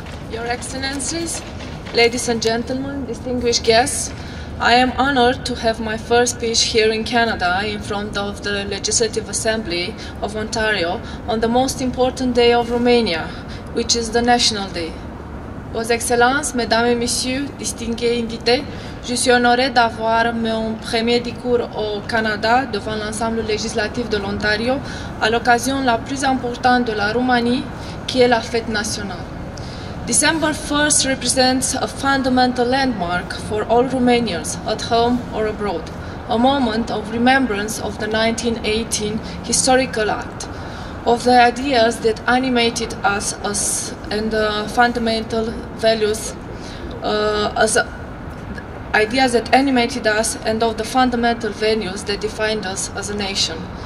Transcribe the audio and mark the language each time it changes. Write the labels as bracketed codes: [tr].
[en] Your Excellencies, ladies and gentlemen, distinguished guests, I am honored to have my first speech here in Canada in front of the Legislative Assembly of Ontario on the most important day of Romania, which is the National Day. [fr] Vos Excellences, Mesdames et Messieurs, distingués invités, je suis honoré d'avoir mon premier discours au Canada devant l'ensemble législatif de l'Ontario à l'occasion la plus importante de la Roumanie, qui est la fête nationale. [en] December 1st represents a fundamental landmark for all Romanians at home or abroad, a moment of remembrance of the 1918 historical act, of the ideas that animated us as and the fundamental values as ideas that animated us and of the fundamental values that defined us as a nation.